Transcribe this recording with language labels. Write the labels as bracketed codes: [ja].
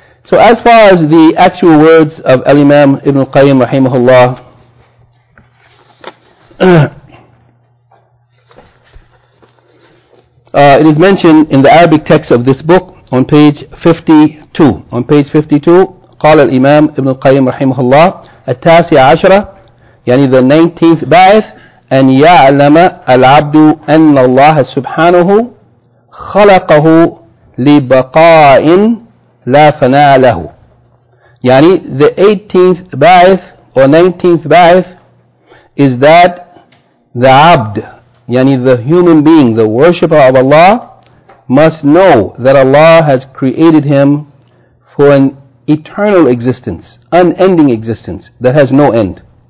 [en] So as far as the actual words of Al-Imam Ibn Qayyim rahimahullah, it is mentioned in the Arabic text of this book on page 52. [ar] On page 52, قال الإمام ابن القيم رحمه الله التاسع عشرة يعني [en] the 19th [ar] بعث أن يعلم العبد أن الله سبحانه خلقه لبقاء لا فناء له. [en] يعني the 18th بعث or 19th بعث is that the abd, yani the human being, the worshipper of Allah, must know that Allah has created him for an eternal existence, unending existence that has no end.